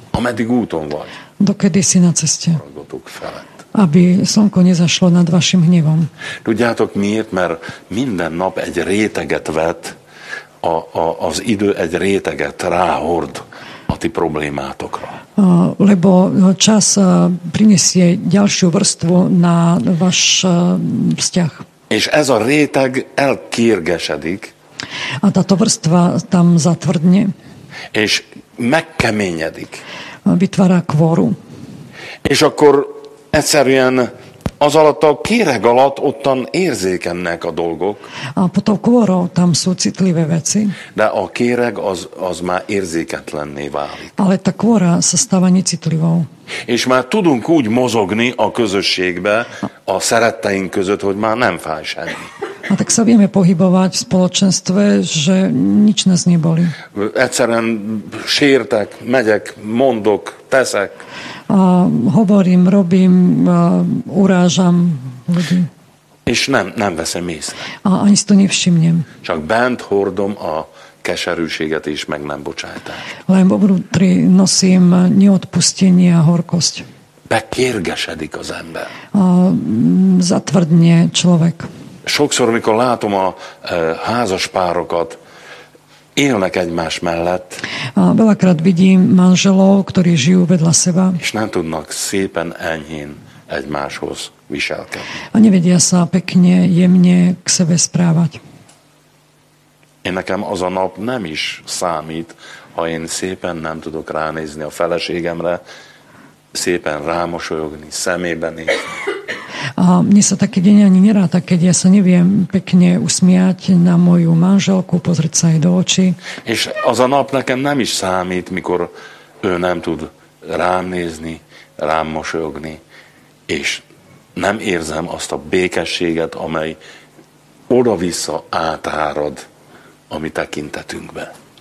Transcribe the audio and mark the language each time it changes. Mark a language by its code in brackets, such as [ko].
[hu] Ameddig úton vagy. [sk] Dokedy si na ceste. [hu] Rogotok felett. [sk] Aby slnko nezašlo nad vašim hnevom. [hu] Tudjátok miért, mert minden nap egy réteget vet az idő egy réteget ráhord a ti problémátokra. [sk] Lebo čas prinesie ďalšiu vrstvu na váš vzťah. [hu] És ez a réteg elkérgesedik. [sk] A táto vrstva tam zatvrdne. [hu] És megkeményedik. [sk] Vytvára kvóru. [hu] És akkor egyszerűen az alatt a kéreg alatt ottan érzékennek a dolgok. [sk] A potom kvóra, tam sú citlivé veci. [hu] De a kéreg az már érzéketlenné válik. [sk] Ale tá kvóra sa stáva necitlivou. [hu] És már tudunk úgy mozogni a közösségbe, a szeretteink között, hogy már nem fáj semmi. [sk] A tak sa vieme pohybovať v spoločenstve, že nič nás nebolí. [hu] Egyszerűen sértek, megyek, mondok, teszek. [sk] A hovorím, robím, urážam ľudí. [hu] És nem veszem észre. [sk] A ani si to nevšimnem. [hu] Csak bent hordom a keserűséget és meg nem bocsájtást. [sk] Len vo vnútri nosím neodpustenie a horkosť. [hu] Bekérgesedik az ember. [sk] A zatvrdne človek. [hu] Sokszor, amikor látom a házaspárokat, élnek egymás mellett. [sk] Veľakrát vidím manželov, ktorí žijú vedľa seba. [hu] És nem tudnak szépen enyhén egymáshoz viselkedni. [sk] A nevedia sa pekne, jemne k sebe správať. [hu] Én nekem az a nap nem is számít, ha én szépen nem tudok ránézni a feleségemre, szépen rámosolyogni, szemébe nézni. [sk] A mne sa taký deň ani neráta, keď ja sa neviem pekne usmiať na moju manželku, pozrieť sa jej do očí. [hu] És az a nap nekem nem is számít, mikor ő nem tud rám nézni, rám mosolyogni, és nem érzem azt a békességet, amely oda-vissza átárad a mi tekintetünkbe.